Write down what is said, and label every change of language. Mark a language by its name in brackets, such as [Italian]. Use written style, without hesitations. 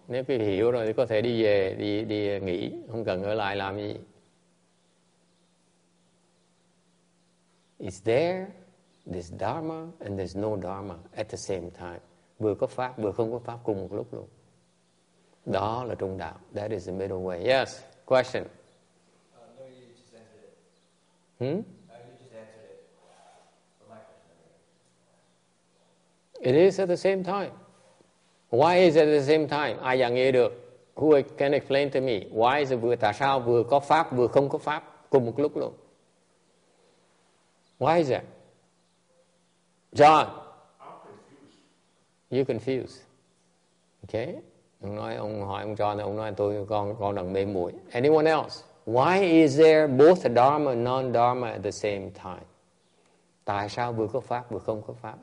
[Vietnamese] Nếu quý vị hiểu rồi, thì có thể đi về, đi nghỉ, không cần ở lại làm gì. [English] Is there this dharma and there's no dharma at the same time? [Vietnamese] Vừa có pháp, vừa không có pháp cùng một lúc luôn. Đó là trung đạo. [English] That is the middle way. Yes, question. No, you just answered it. Hmm? It is at the same time. Why is it at the same time? [Vietnamese] Ai dạng nghe được? [English] Who can explain to me? Why is it [Vietnamese] vừa, tại sao vừa có pháp, vừa không có pháp cùng một lúc luôn? [English] Why is that? John? I'm confused. You're confused. Okay. [Vietnamese] Ông hỏi ông John, ông nói tôi con đang mê muội. [English] Anyone else? Why is there both Dharma and non-Dharma at the same time? [Vietnamese] Tại sao vừa có pháp, vừa không có pháp?